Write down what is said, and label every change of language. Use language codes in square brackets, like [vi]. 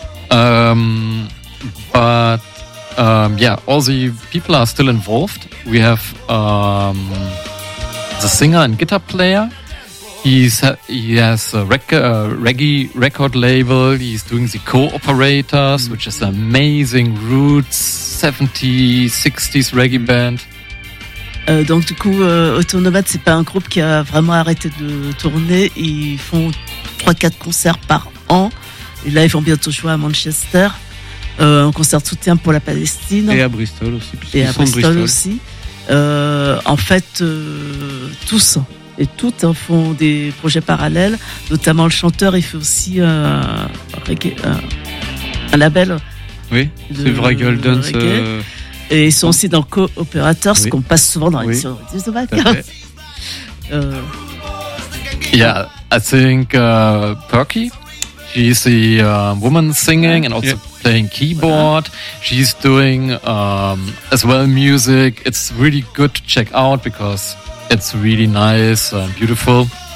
[en] All the people are still involved. We have. The singer and guitar player. He has a reggae record label. He's doing the Co-Operators, which is an amazing roots 70s, 60s reggae band. [fr] Donc du coup, Autonomad, c'est pas un groupe qui a vraiment arrêté de tourner. Ils font 3-4 concerts par an. Et là, ils vont bientôt jouer à Manchester. Un concert soutien pour la Palestine. Et à Bristol aussi. Et à Bristol aussi. En fait, tous et toutes font des projets parallèles, notamment le chanteur, il fait aussi un label. Oui, c'est vrai, Golden. Et ils sont aussi dans Co-Opérateurs, ce qu'on passe souvent dans l'émission de Zobac. [en] Yeah, I think Perky, she's the woman singing and also playing keyboard. Voilà. She's doing as well music. It's really good to check out because it's really nice and beautiful.